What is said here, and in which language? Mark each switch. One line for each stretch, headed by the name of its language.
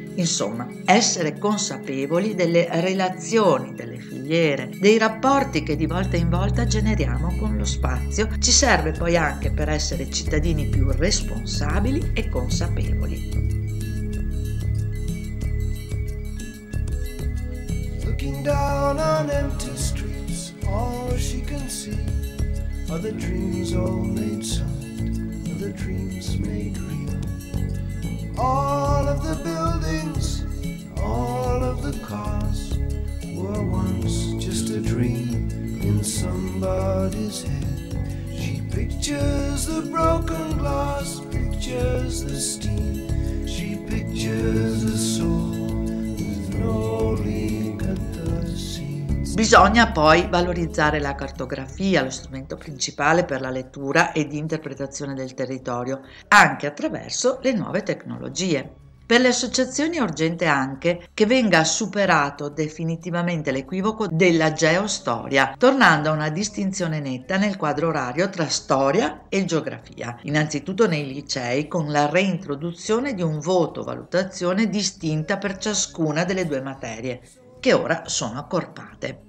Italian: Insomma, essere consapevoli delle relazioni, delle filiere, dei rapporti che di volta in volta generiamo con lo spazio ci serve poi anche per essere cittadini più responsabili e consapevoli.
English: Looking down on empty streets, all she can see are the dreams all made solid, are the dreams made real. All of the buildings, all of the cars were once just a dream in somebody's head. She pictures the broken glass, pictures the steam. She pictures the soul with no link at the seams.
Italian: Bisogna poi valorizzare la cartografia, lo strumento principale per la lettura ed interpretazione del territorio, anche attraverso le nuove tecnologie. Per le associazioni è urgente anche che venga superato definitivamente l'equivoco della geostoria, tornando a una distinzione netta nel quadro orario tra storia e geografia, innanzitutto nei licei, con la reintroduzione di un voto-valutazione distinta per ciascuna delle due materie, che ora sono accorpate.